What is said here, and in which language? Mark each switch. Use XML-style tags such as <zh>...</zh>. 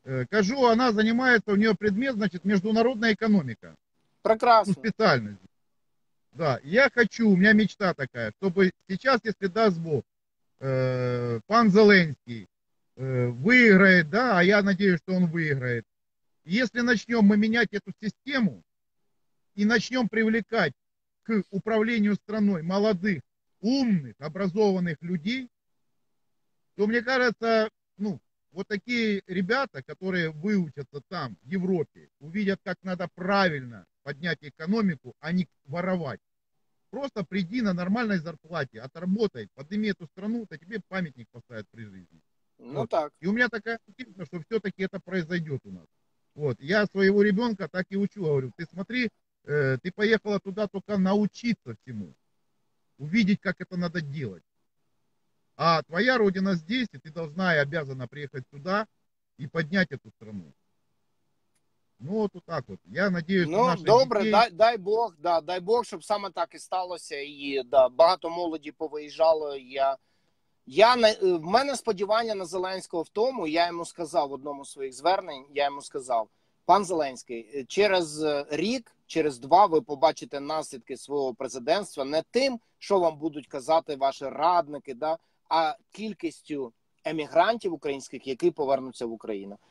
<uk>Кажу, вона займається, у неї предмет, значить, міжнародна економіка. Прекрасно. Спеціальність. Да, я хочу, у мене мечта така, щоб зараз, якщо дасть Бог, пан Зеленський виграє, да, а я сподіваюся, що він виграє. Якщо почнемо ми міняти цю систему,</uk> <ru>и начнем привлекать к управлению страной молодых, умных, образованных людей, то, мне кажется, ну, вот такие ребята, которые выучатся там, в Европе, увидят, как надо правильно поднять экономику, а не воровать. Просто приди на нормальной зарплате, отработай, подними эту страну, то тебе памятник поставят при жизни. Ну вот. Так. И у меня такая ощущение, что все-таки это произойдет у нас. Вот. Я своего ребенка так и учу, говорю, ты смотри, ты поехала туда только научиться всему, увидеть, как это надо делать. А твоя родина здесь, и ты должна и обязана приехать сюда и поднять эту страну.</ru> <uk>Ну, от так от. Я надіюсь, ну, наші добре, дітей... дай Бог, да, дай Бог, щоб саме так і сталося. І да, багато молоді повиїжджало. В мене сподівання на Зеленського в тому, я йому сказав в одному з своїх звернень, я йому сказав, пан Зеленський, через рік, через два ви побачите наслідки свого президентства не тим, що вам будуть казати ваші радники, да, а кількістю емігрантів українських, які повернуться в Україну.</uk>